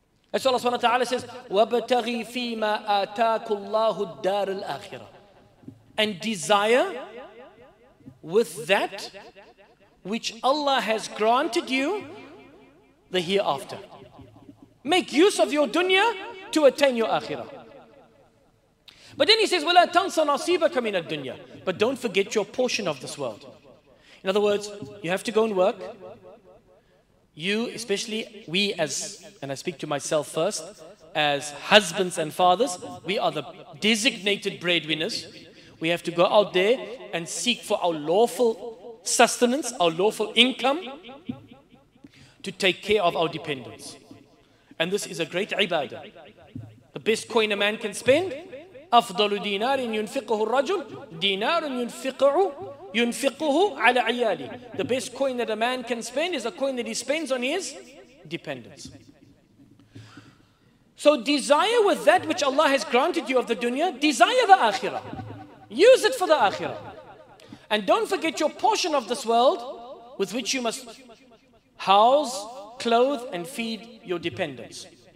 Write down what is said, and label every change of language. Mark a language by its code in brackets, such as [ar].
[en] That's what Allah subhanahu wa ta'ala says, [ar] وَابْتَغِي فِيمَا آتَاكُ اللَّهُ الدَّارُ الْآخِرَةِ. [en] And desire with that which Allah has granted you the hereafter. Make use of your dunya to attain your akhirah. But then he says, [ar] وَلَا تَنْصَ نَصِيبَكَ مِنَ الدُّنْيَا. [en] But don't forget your portion of this world. In other words, you have to go and work. You, especially we as, and I speak to myself first, as husbands and fathers, we are the designated breadwinners. We have to go out there and seek for our lawful sustenance, our lawful income, to take care of our dependents. And this is a great ibadah. The best coin a man can spend, [ar] أفضل دينار ينفقه الرجل دينار ينفقه على عياله. [en] The best coin that a man can spend is a coin that he spends on his dependents. So desire with that which Allah has granted you of the dunya, desire the akhirah. Use it for the akhirah. And don't forget your portion of this world with which you must house, clothe and feed your dependents.